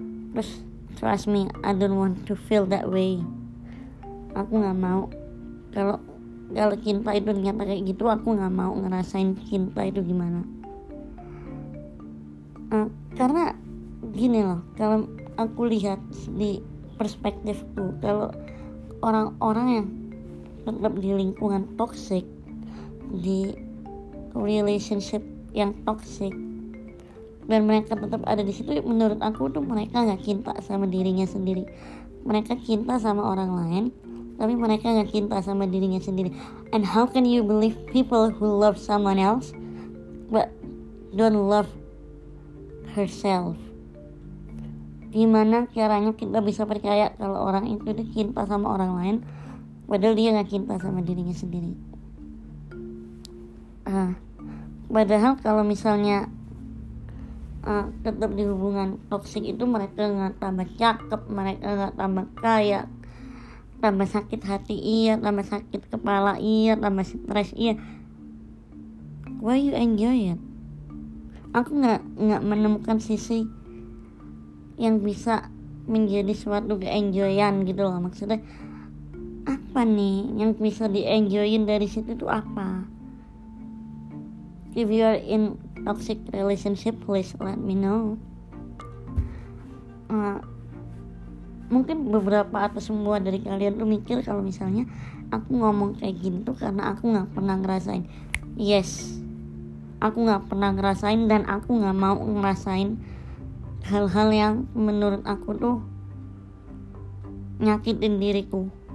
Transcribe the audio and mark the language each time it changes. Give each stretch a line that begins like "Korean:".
Indonesian: Terus,
English: trust me, I don't want to feel that way.
Indonesian: Aku gak mau. Kalau cinta itu nyata kayak gitu, aku gak mau ngerasain cinta itu gimana. Karena gini loh, kalau aku lihat di perspektifku, kalau orang-orang yang tetap di lingkungan toxic, di relationship yang toxic, dan mereka tetap ada di situ, menurut aku tuh mereka gak cinta sama dirinya sendiri. Mereka cinta sama orang lain, tapi mereka gak cinta sama dirinya sendiri.
English: And how can you believe people who love someone else but don't love herself?
Indonesian: Gimana caranya kita bisa percaya kalau orang itu dia cinta sama orang lain padahal dia gak cinta sama dirinya sendiri? Padahal kalau misalnya tetap di hubungan toksik itu, mereka gak tambah cakep, mereka gak tambah kaya, tambah sakit hati iya, tambah sakit kepala iya, tambah stres iya.
English: Why you enjoy it?
Indonesian: Aku gak menemukan sisi yang bisa menjadi suatu keenjoyan gitu loh. Maksudnya apa nih yang bisa dienjoyin dari situ tuh apa?
English: If you are in toxic relationship, please let me know.
Indonesian: Mungkin beberapa atau semua dari kalian tuh mikir kalau misalnya aku ngomong kayak gini tuh karena aku gak pernah ngerasain. Yes, aku gak pernah ngerasain dan aku gak mau ngerasain hal-hal yang menurut aku tuh nyakitin diriku.